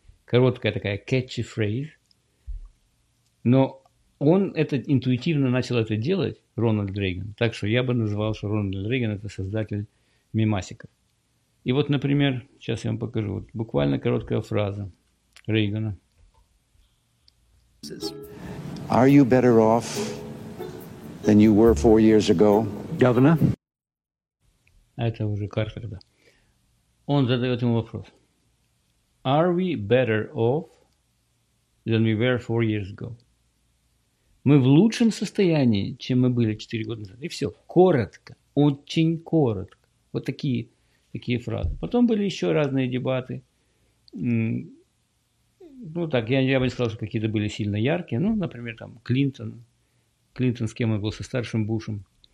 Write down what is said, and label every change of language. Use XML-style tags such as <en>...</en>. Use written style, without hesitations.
<ru>Короткая такая</ru> <en>catchy phrase.</en> <ru>Но он это интуитивно начал это делать, Рональд Рейган. Так что я бы назвал, что Рональд Рейган – это создатель мемасиков. И вот, например, сейчас я вам покажу, вот буквально короткая фраза Рейгана.</ru> <en>Are you better off than you were 4 years ago, governor?</en> <ru>Это уже Картер, да. Он задает ему вопрос.</ru> <en>Are we better off than we were 4 years ago?</en> <ru>Мы в лучшем состоянии, чем мы были 4 года назад. И все. Коротко. Очень коротко. Вот такие фразы. Потом были еще разные дебаты. Ну так, я бы не сказал, что какие-то были сильно яркие. Ну, например, там Клинтон. Клинтон с кем он был? Со старшим Бушем.</ru>